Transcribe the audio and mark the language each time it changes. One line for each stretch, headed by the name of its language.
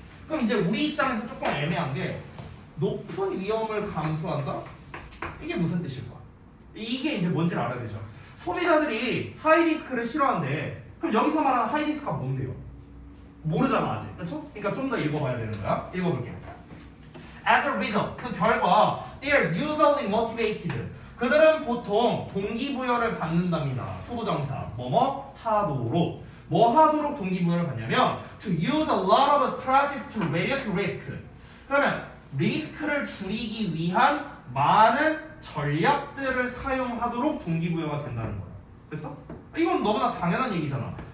Korean: 그럼 이제 우리 입장에서 조금 애매한 게, 높은 위험을 감수한다? 이게 무슨 뜻일까? 이게 이제 뭔지를 알아야 되죠. 소비자들이 하이리스크를 싫어한대. 그럼 여기서 말하는 하이리스크가 뭔데요? 모르잖아 아직. 그쵸? 그러니까 좀 더 읽어봐야 되는 거야. 읽어볼게요.
English: As a result,
Korean: 그 결과,
English: they are usually motivated.
Korean: 그들은 보통 동기부여를 받는답니다. 후보정사, 뭐뭐 하도록. 뭐 하도록 동기부여를 받냐면
English: To use a lot of strategies to reduce risk.
Korean: 그러면 리스크를 줄이기 위한 많은 전략들을 사용하도록 동기부여가 된다는 거야. 됐어? 이건 너무나 당연한 얘기잖아.